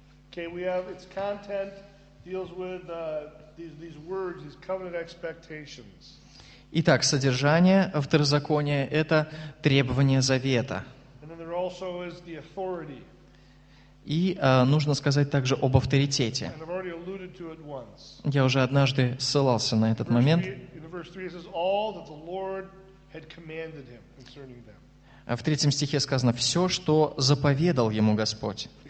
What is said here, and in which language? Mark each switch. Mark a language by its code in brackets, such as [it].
[en] Okay, we have its content deals with these words, these covenant expectations. [ru] Итак, содержание второзакония – это требование завета. [en] And then there also is the authority. [ru] И нужно сказать также об авторитете. [en] And I've already alluded to it once. [ru] Я уже однажды ссылался на этот момент. [en] In verse 3 it says, all that the Lord had commanded him concerning them. [ru] В третьем стихе сказано «все, что заповедал ему Господь».